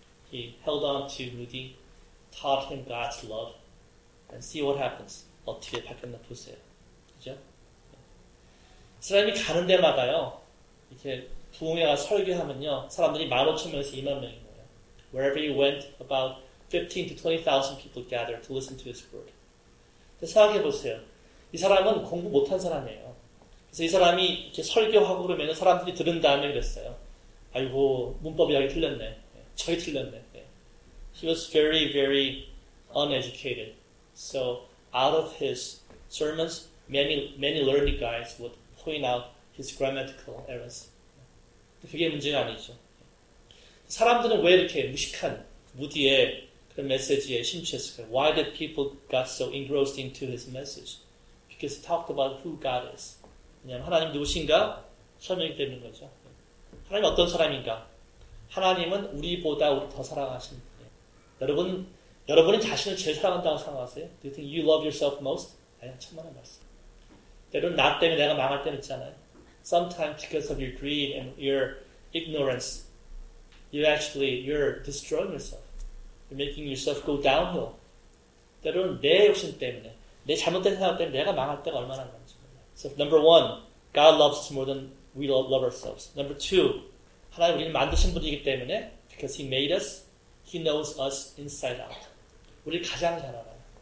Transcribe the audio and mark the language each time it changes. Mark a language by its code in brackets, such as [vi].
[en] He held on to Moody, taught him God's love, and see what happens. [ko] 어떻게 바뀌었나 보세요. 그죠? 사람이 가는 데마다요, 이렇게 부흥회가 설교하면요, 사람들이 15,000명에서 20,000명인 거예요. [en] Wherever he went, about 15 to 20,000 people gathered to listen to his word. [ko] 근데 생각해 보세요. 이 사람은 공부 못한 사람이에요. 그래서 이 사람이 이렇게 설교하고 그러면 사람들이 들은 다음에 그랬어요. 아이고, 문법 이야기 틀렸네. 저희 틀렸네. [en] He was very, very uneducated. So, out of his sermons, many learned guys would point out his grammatical errors. [ko] 그게 문제가 아니죠. 사람들은 왜 이렇게 무식한 무디의 그런 메시지에 심취했을까요? [en] Why did people got so engrossed into his message? Because he talked about who God is. [ko] 왜냐면 하나님 누구신가? 설명이 되는 거죠. 하나님 어떤 사람인가? 하나님은 우리보다 우리 더 사랑하신 분이에요. 여러분이 자신을 제일 사랑한다고 생각하세요? [en] Do you think you love yourself most? [ko] 아니, 천만의 말씀. 때로는 나 때문에 내가 망할 때는 있잖아요. [en] Sometimes because of your greed and your ignorance, you're destroying yourself. You're making yourself go downhill. [ko] 때로는 내 욕심 때문에, 내 잘못된 생각 때문에 내가 망할 때가 얼마나 많지. [en] So number one, God loves us more than we love ourselves. Number two, [ko] 하나님 우리를 만드신 분이기 때문에 [en] because he made us, he knows us inside out. [ko] 우리 가장 잘 알아요.